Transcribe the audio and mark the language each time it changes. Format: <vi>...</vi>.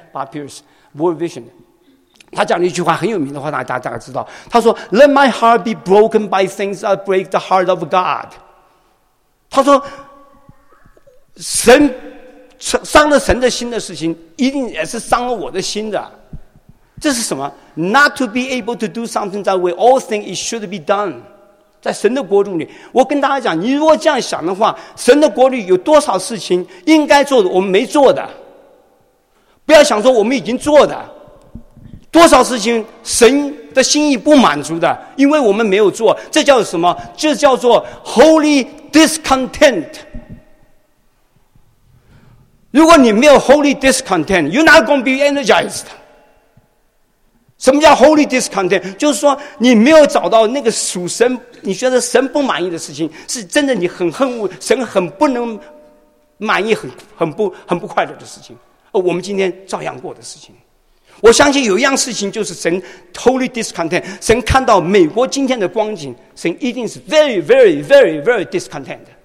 <zh>Bob Pierce World Vision， 他讲了一句话很有名的话，大家知道，他说</zh> <en>Let my heart be broken by things that break the heart of God。</en> <zh>他说神伤了神的心的事情一定也是伤了我的心的，这是什么？</zh> <en>Not to be able to do something that we all think it should be done.</en> <zh>在神的国度里，我跟大家讲，你如果这样想的话，神的国度有多少事情应该做的我们没做的，不要想说我们已经做的，多少事情神的心意不满足的，因为我们没有做。这叫什么？这叫做 holy discontent。如果你没有</zh> <en>holy discontent, you're not going to be energized.</en> <zh>什么叫 holy discontent? 就是说你没有找到那个属神，你觉得神不满意的事情，是真的你很恨恶神，很不能满意，很不快乐的事情。而我们今天照样过的事情。我相信有一样事情，就是神 holy discontent。神看到美国今天的光景，神一定是</zh> <en>very, very, very, very discontent。</en>